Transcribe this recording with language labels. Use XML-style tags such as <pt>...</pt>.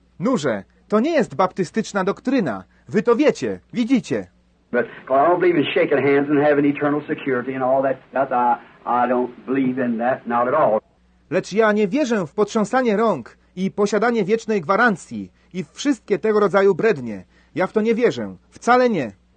<pl>Noże, to nie jest baptystyczna doktryna. Wy to wiecie, widzicie.</pl> <en>But I don't believe in shaking hands and having eternal security and all that stuff. I don't believe in that, not at all.</en> <pl>Lecz ja nie wierzę w potrząsanie rąk i posiadanie wiecznej gwarancji i wszystkie tego rodzaju brednie. Ja w to nie wierzę. Wcale nie.</pl>